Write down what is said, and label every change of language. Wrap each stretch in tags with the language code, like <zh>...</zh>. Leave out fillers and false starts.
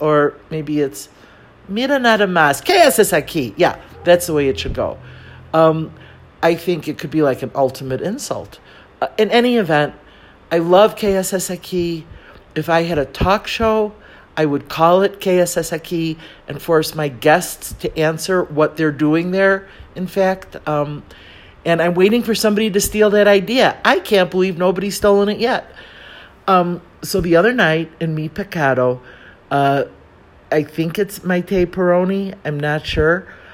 <en>Or maybe it's,</en> <es>mira nada más. ¿Qué haces aquí?</es> <en>Yeah, that's the way it should go. I think it could be like an ultimate insult. In any event, I love</en> <es>¿Qué haces aquí?</es> <en>If I had a talk show, I would call it</en> <es>¿Qué haces aquí?</es> <en>And force my guests to answer what they're doing there, in fact. And I'm waiting for somebody to steal that idea. I can't believe nobody's stolen it yet. So the other night in Mi Pecado, I think it's Maite Peroni, I'm not sure.</en>